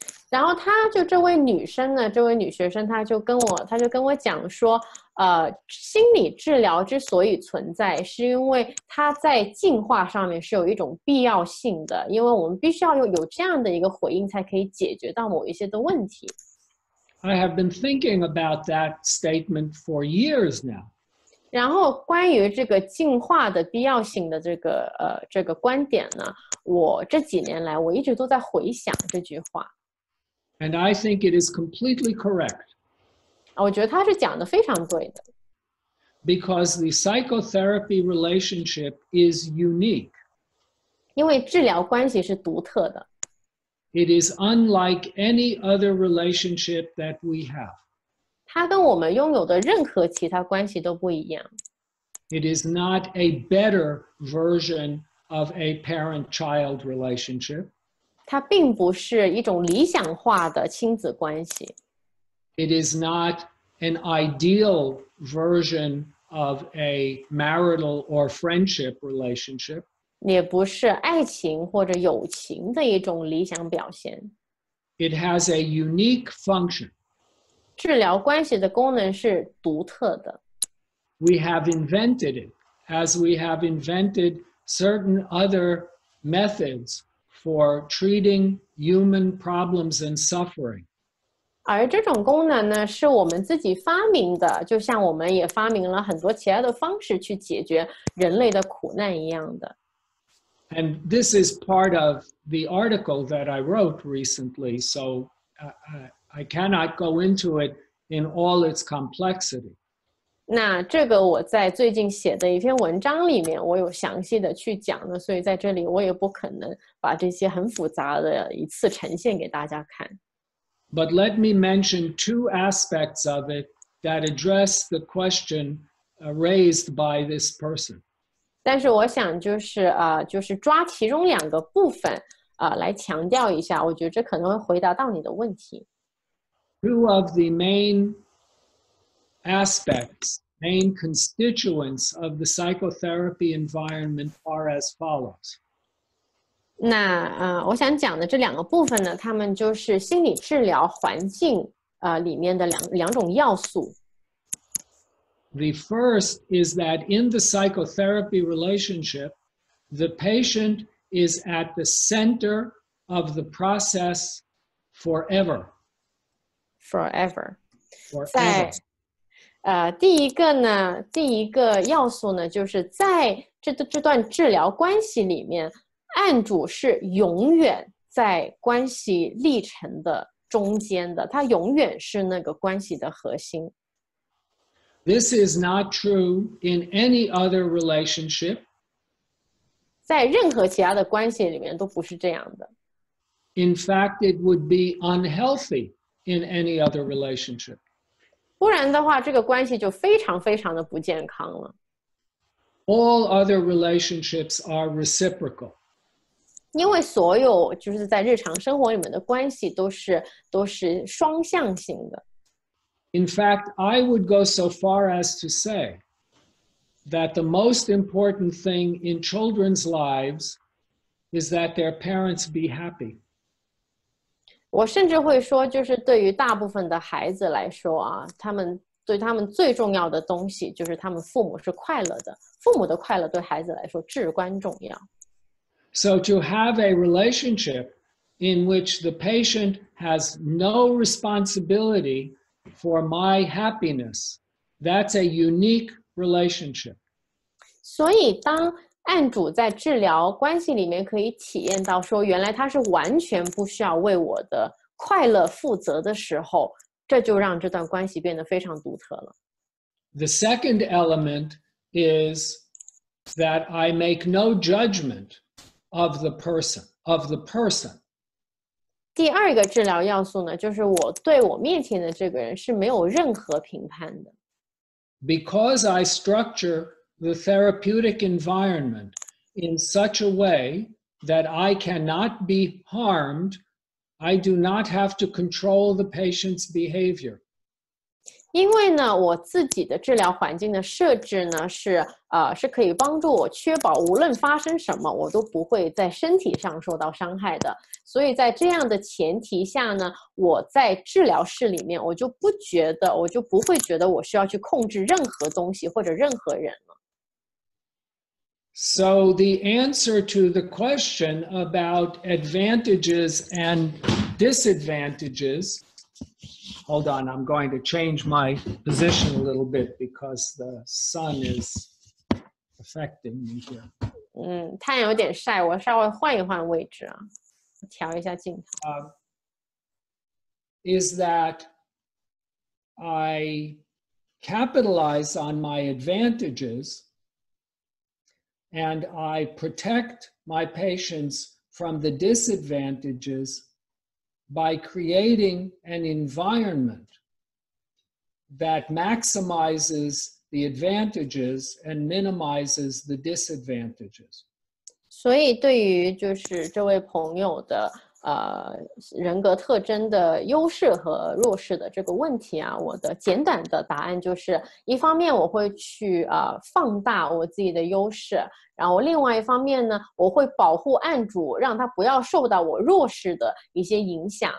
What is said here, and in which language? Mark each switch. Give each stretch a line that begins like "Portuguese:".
Chinese: 然后她就这位女生呢，这位女学生她就跟我讲说，心理治疗之所以存在，是因为它在进化上面是有一种必要性的，因为我们必须要有这样的一个回应，才可以解决到某一些的问题。
English: I have been thinking about that statement for years now.
Chinese: 然后关于这个进化的必要性的这个观点呢，我这几年来我一直都在回想这句话。
English: And I think it is completely correct.
Chinese: 我觉得他是讲的非常对的。
English: Because the psychotherapy relationship is unique.
Chinese: 因为治疗关系是独特的。
English: It is unlike any other relationship that we have.
Chinese: 它跟我们拥有的任何其他关系都不一样。
English: It is not a better version of a parent-child relationship.
Chinese: 它并不是一种理想化的亲子关系。
English: It is not an ideal version of a marital or friendship relationship.
Chinese: 也不是爱情或者友情的一种理想表现。
English: It has a unique function.
Chinese: 治疗关系的功能是独特的。
English: We have invented it, as we have invented certain other methods for treating human problems and suffering.
Chinese: 而这种功能呢，是我们自己发明的，就像我们也发明了很多其他的方式去解决人类的苦难一样的。
English: And this is part of the article that I wrote recently, so I cannot go into it in all its complexity.
Chinese: 那这个我在最近写的一篇文章里面我有详细的去讲的，所以在这里我也不可能把这些很复杂的一次呈现给大家看。
English: But let me mention two aspects of it that address the question raised by this person.
Chinese: 但是我想就是抓其中两个部分来强调一下，我觉得这可能会回答到你的问题。
English: Two of the main aspects, main constituents of the psychotherapy environment are as follows.
Chinese: 那我想讲的这两个部分呢，他们就是心理治疗环境里面的两种要素。
English: The first is that in the psychotherapy relationship, the patient is at the center of the process forever. Forever. Forever.
Chinese: 在第一个要素呢，就是在这段治疗关系里面。案主是永远在关系历程的中间的，他永远是那个关系的核心。
English: This is not true in any other relationship.
Chinese: 在任何其他的关系里面都不是这样的。
English: In fact, it would be unhealthy in any other relationship.
Chinese: 不然的话，这个关系就非常非常的不健康了。
English: All other relationships are reciprocal.
Chinese: 因为所有就是在日常生活里面的关系都是双向性的。
English: In fact, I would go so far as to say that the most important thing in children's lives is that their parents be happy.
Chinese: 我甚至会说，就是对于大部分的孩子来说啊，他们最重要的东西就是他们父母是快乐的，父母的快乐对孩子来说至关重要。
English: So to have a relationship in which the patient has no responsibility for my happiness, that's a unique relationship.
Chinese: 所以当案主在治疗关系里面可以体验到说原来他是完全不需要为我的快乐负责的时候，这就让这段关系变得非常独特了。
English: The second element is that I make no judgment. Of the person.
Chinese: 第二个治疗要素呢，就是我对我面前的这个人是没有任何评判的。
English: Because I structure the therapeutic environment in such a way that I cannot be harmed, I do not have to control the patient's behavior.
Chinese: 因为呢，我自己的治疗环境的设置呢，是可以帮助我确保无论发生什么，我都不会在身体上受到伤害的。所以在这样的前提下呢，我在治疗室里面，我就不会觉得我需要去控制任何东西或者任何人了。
English: So the answer to the question about advantages and disadvantages. Hold on, I'm going to change my position a little bit because the sun is affecting me here.
Chinese: 太阳有点晒，我稍微换一换位置啊，调一下镜头。
English: Is that I capitalize on my advantages and I protect my patients from the disadvantages. By creating an environment that maximizes the advantages and minimizes the disadvantages.
Chinese: 所以对于就是这位朋友的人格特征的优势和弱势的这个问题啊，我的简短的答案就是，一方面我会去放大我自己的优势，然后另外一方面呢，我会保护案主，让他不要受到我弱势的一些影响。